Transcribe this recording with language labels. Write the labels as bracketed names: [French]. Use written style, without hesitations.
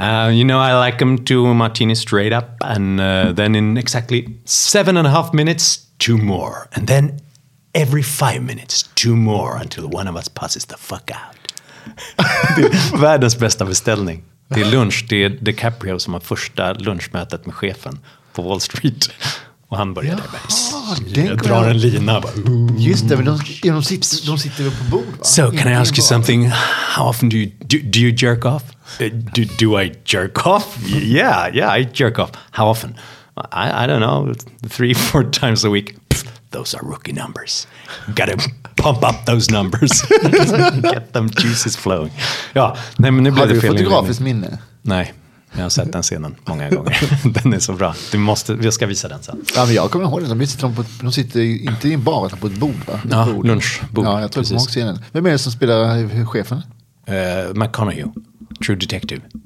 [English] You know, I like them to a martini straight up. And then in exactly 7.5 minutes, 2 more. And then every 5 minutes, 2 more until one of us passes the fuck out. [Swedish] Det är världens bästa beställning. Det är lunch. Det är DiCaprio som har första lunchmötet med chefen på Wall Street. Och han börjar där. Jag drar en lina. Bara. Just det, men de sitter på bord. Va? [English] So, can I ask you something? How often do you jerk off? Do I jerk off? Yeah, I jerk off. How often? I don't know, 3-4 times a week. Those are rookie numbers. Gotta pump up those numbers. Get them juices flowing. [Swedish] Ja, nej, men nu blir har det fel. Har du fotografiskt minne? Nej, jag har sett den scenen många gånger. Den är så bra. Vi ska visa den sen. Ja, men jag kommer ihåg den. De sitter inte i en bar, utan på ett bord. Va? Ja, bord. Lunchbord. Ja, jag tror precis. På många scenen. Vem är det som spelar chefen? McConaughey, True Detective.